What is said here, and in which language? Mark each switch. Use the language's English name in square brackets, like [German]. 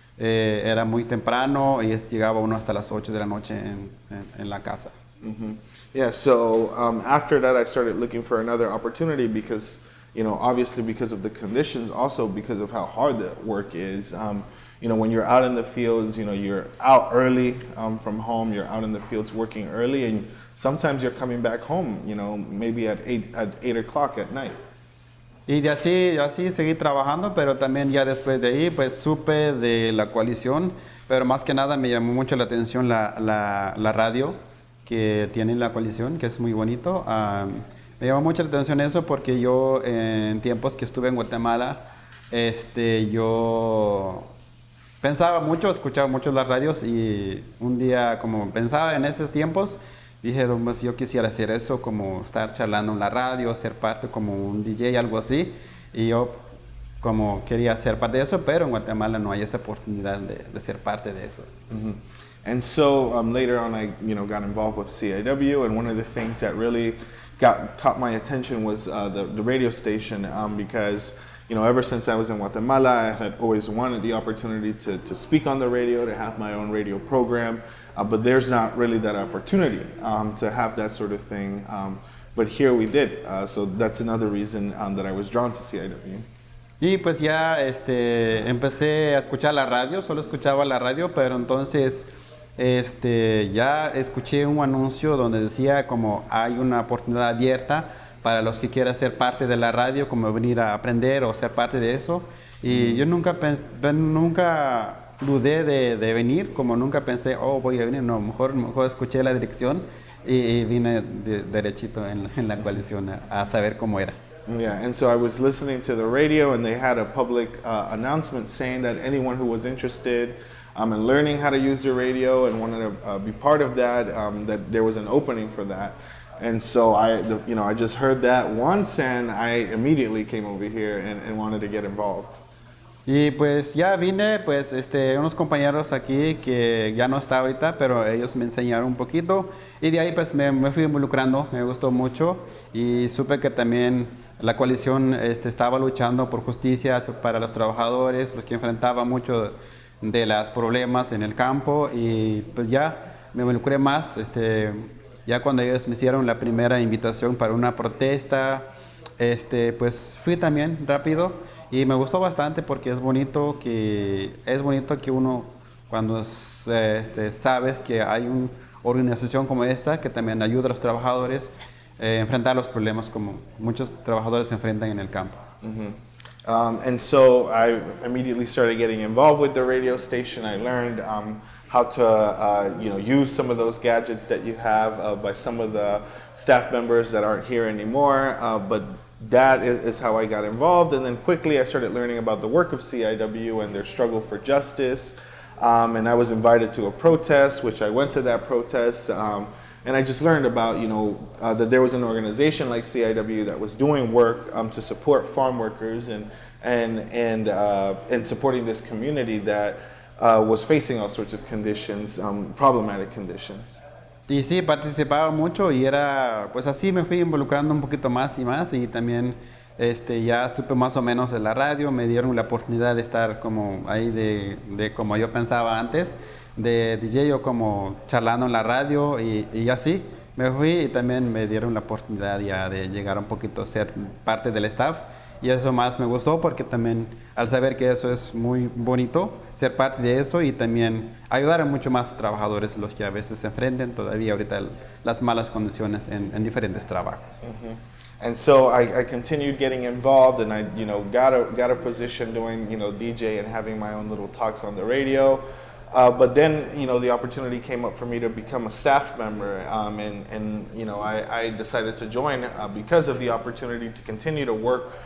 [Spanish] Era muy temprano y llegaba uno hasta las 8 de la noche en la casa. [English] Yeah, so after that I started looking for another opportunity because, you know, obviously because of the conditions, also because of how hard the work is. You know, when you're out in the fields, you know, you're out early from home, you're out in the fields working early, and sometimes you're coming back home, you know, maybe at 8 o'clock at night. [Spanish] Y de así, seguí trabajando, pero también ya después de ahí, pues supe de la coalición, pero más que nada me llamó mucho la atención la radio que tiene la coalición, que es muy bonito. Me llamó mucho la atención eso porque yo en tiempos que estuve en Guatemala, yo pensaba mucho, escuchaba mucho las radios y un día como pensaba en esos tiempos, dije, pues yo quisiera hacer eso, como estar charlando en la radio, ser parte como un DJ, algo así. Y yo como quería ser parte de eso, pero en Guatemala no hay esa oportunidad de ser parte de eso. [English] And so later on I, you know, got involved with CIW, and one of the things that really caught my attention was the radio station, because, you know, ever since I was in Guatemala, I had always wanted the opportunity to speak on the radio, to have my own radio program, but there's not really that opportunity to have that sort of thing. But here we did, so that's another reason that I was drawn to CIW. [Spanish] Y pues ya empecé a escuchar la radio, solo escuchaba la radio, pero entonces ya escuché un anuncio donde decía como hay una oportunidad abierta para los que quieran ser parte de la radio, como venir a aprender o ser parte de eso. Y yo nunca dudé de venir, como nunca pensé, oh, voy a venir. No, mejor escuché la dirección y vine derechito en la coalición a saber cómo era. [English] Yeah, and so I was listening to the radio and they had a public announcement saying that anyone who was interested in learning how to use the radio and wanted to be part of that, that there was an opening for that. And so I just heard that once, and I immediately came over here and wanted to get involved. [Spanish] Y pues ya vine, pues unos compañeros aquí que ya no está ahorita, pero ellos me enseñaron un poquito, y de ahí pues me fui involucrando, me gustó mucho, y supe que también la coalición estaba luchando por justicia para los trabajadores, los que enfrentaban mucho de los problemas en el campo, y pues ya me involucré más. Ya cuando ellos me hicieron la primera invitación para una protesta, pues fui también rápido y me gustó bastante porque es bonito que uno, cuando sabes que hay una organización como esta que también ayuda a los trabajadores a enfrentar los problemas como muchos trabajadores se enfrentan en el campo. [English] And so I immediately started getting involved with the radio station. I learned how to use some of those gadgets that you have by some of the staff members that aren't here anymore, but that is how I got involved. And then quickly I started learning about the work of CIW and their struggle for justice, and I was invited to a protest, which I went to that protest, and I just learned about that there was an organization like CIW that was doing work to support farm workers and supporting this community that was facing all sorts of conditions, problematic conditions. [Spanish] Y sí, participaba mucho y era, pues así me fui involucrando un poquito más y más, y también ya supe más o menos de la radio, me dieron la oportunidad de estar como ahí de como yo pensaba antes, de DJ o como charlando en la radio, y así me fui, y también me dieron la oportunidad ya de llegar un poquito a ser parte del staff. Y eso más me gustó porque también al saber que eso es muy bonito, ser parte de eso y también ayudar a mucho más trabajadores, los que a veces se enfrentan todavía ahorita las malas condiciones en diferentes trabajos. [English] And so I continued getting involved, and I, you know, got a position doing, you know, DJ and having my own little talks on the radio. But then, you know, the opportunity came up for me to become a staff member, and you know, I decided to join because of the opportunity to continue to work